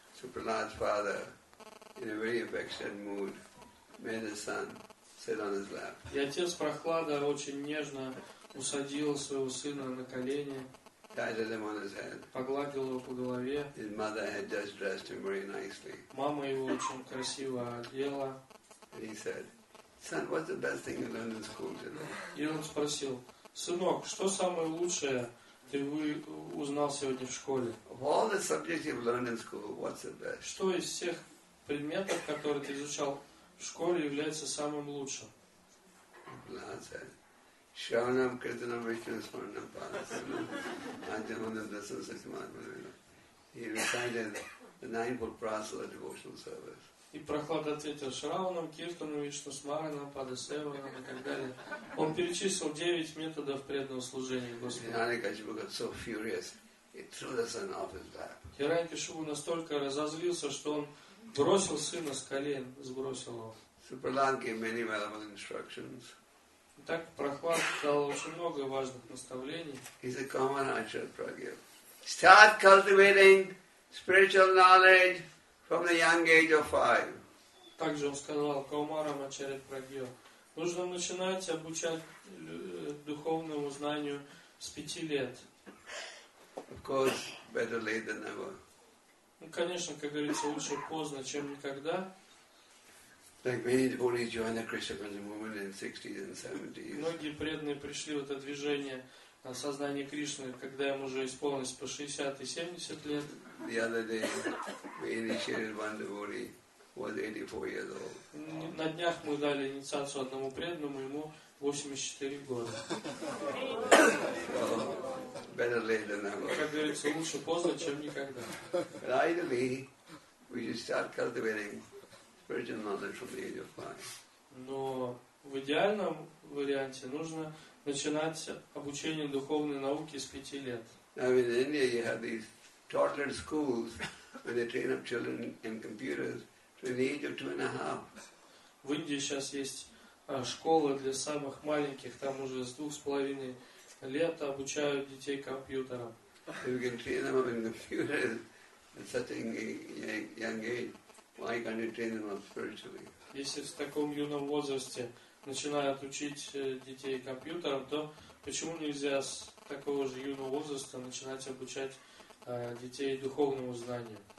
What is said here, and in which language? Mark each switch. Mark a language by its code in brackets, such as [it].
[en] So Prahlad's father, in a very affectionate mood, made his son sit on his lap. [ru] И отец Прохлада очень нежно усадил своего сына на колени. [en] Patted him on his head. [ru] Погладил его по голове. [en] His mother had just dressed him very nicely. [ru] Мама его очень красиво одела. [en] And he said, son, what's the best thing you learned in school, you know? [ru] И он спросил, сынок, что самое лучшее ты узнал сегодня в школе? [en] Of all the subjects you've learned in school, what's the best? [ru] Что из всех предметов, которые ты изучал в школе, является самым лучшим? [en] Blood said, [sa] Sharanam Kirtanam Vishnu Smaranam Parasana Antimandam Dasana Satyamadvarena. [en] He recited the Ninefold Prasala devotional service. [ru] И Прохлад ответил Шраванам, Киртану, Вишну, Смаранам, Падасеванам и так далее. Он перечислил 9 методов преданного служения Господу. [en] Hare Kashyapu got so furious, he threw the son off his back. [ru] Hare Kashyapu настолько разозлился, что он бросил сына с колен, сбросил его. [en] So Prahlad gave many valuable instructions. [ru] Так Прохлад дал очень много важных наставлений. [en] He's a common answer, Prahlad. Start cultivating spiritual knowledge from the young age of 5. [ru] Также он сказал [sa] Каумара Мачаре Прагьё, [ru] нужно начинать обучать духовному знанию с 5 лет. [en] Of course, better late than never. [ru] Ну, конечно, как говорится, лучше поздно, чем никогда. [en] Like many devotees joined the Krishna consciousness movement in the 60s and 70s. [ru] Многие преданные пришли в это движение сознание Кришны, когда ему уже исполнилось по 60 и 70 лет. [en] The other day, we initiated one devotee who was 84 years old. [ru] На днях мы дали инициацию одному преданному, ему 84 года. [en] So, better late than never. [ru] Как говорится, лучше поздно, чем никогда. [en] But ideally, we should start cultivating spiritual knowledge from the age of 5. [ru] Но в идеальном варианте нужно начинать обучение духовной науке с 5 лет. [en] Now in India you have these toddler schools where they train up children in computers from the age of 2.5. [ru] В Индии сейчас есть школы для самых маленьких, там уже с 2.5 лет обучают детей компьютерам. [en] If you can train them up in computers at such a young age, why can't you train them up spiritually? [ru] Если в таком юном возрасте начинают учить детей компьютерам, то почему нельзя с такого же юного возраста начинать обучать детей духовному знанию?